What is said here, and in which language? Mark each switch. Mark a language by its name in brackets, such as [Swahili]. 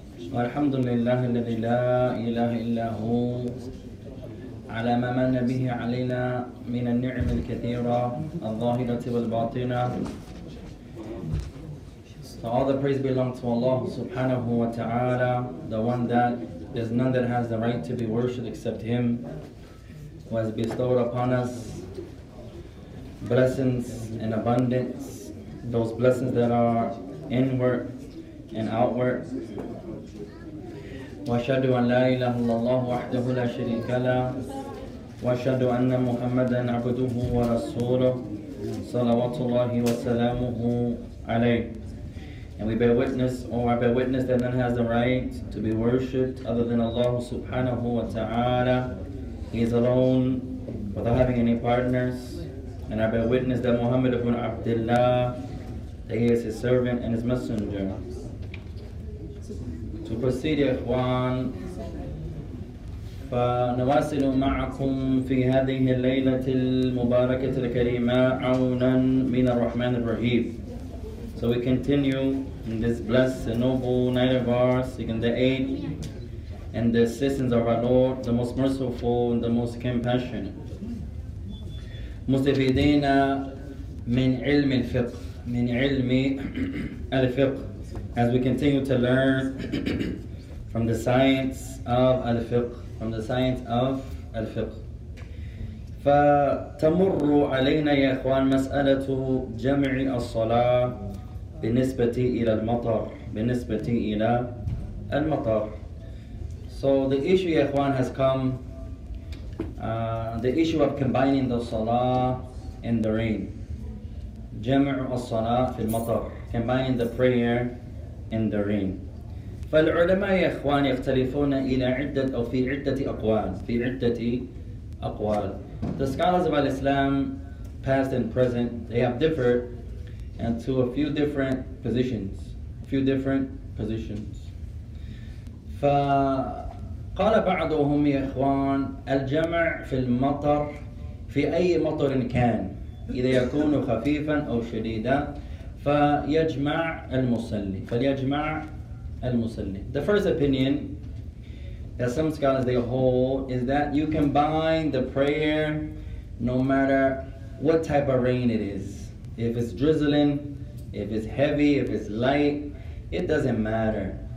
[Arabic] الحمد لله الذي لا إله إلا هو على ما من به علينا من النعم الكثيرة الظاهرة والباطنة. [English] So all the praise belongs to Allah subhanahu wa ta'ala, the one that there's none that has the right to be worshipped except Him, who has bestowed upon us blessings in abundance, those blessings that are inward and outward. [Arabic] وأشهد أن لا إله إلا الله وحده لا شريك له وأشهد أن محمدا عبده ورسوله صلوات الله وسلامه عليه. [English] And we bear witness, or I bear witness, that none has the right to be worshipped other than Allah subhanahu wa ta'ala. He is alone without having any partners. And I bear witness that Muhammad ibn Abdullah, that he is his servant and his messenger. To proceed, [Arabic] إخوان, فنواصل معكم في هذه الليلة المباركة الكريمة عونا من الرحمن الرحيم. [English] So we continue in this blessed and noble night of ours, seeking the aid and the assistance of our Lord, the most merciful and the most compassionate. [Arabic] مستفيدين من علم الفقه, من علم الفقه. [English] As we continue to learn from the science of al-fiqh, from the science of al-fiqh. [Arabic] فَتَمُرُّ عَلَيْنَا يَا إِخْوَانَ مَسْأَلَةُ جَمْعِ الصَّلَاةِ بِنِسْبَةِ إِلَى الْمَطَرِ بِنِسْبَةِ إِلَى الْمَطَرِ. [English] So the issue, [Arabic] يَا إِخْوَانَ, [English] has come, the issue of combining the salah and the rain. [Arabic] جَمْعُ الصَّلَاةِ فِي الْمَطَرِ, [English] combining the prayer in the rain. [Arabic] فالعلماء يا إخوان يختلفون إلى عدة أو في عدة أقوال في عدة أقوال. [English] The scholars of Islam, past and present, they have differed into a few different positions. [Arabic] فقال بعضهم يا إخوان الجمع في المطر في أي مطر كان إذا يكون خفيفا أو شديدا. فيجمع المصلي فليجمع المصلي. [English] The first opinion that some scholars they hold is that you combine the prayer no matter what type of rain it is. If it's drizzling, if it's heavy, if it's light, it doesn't matter.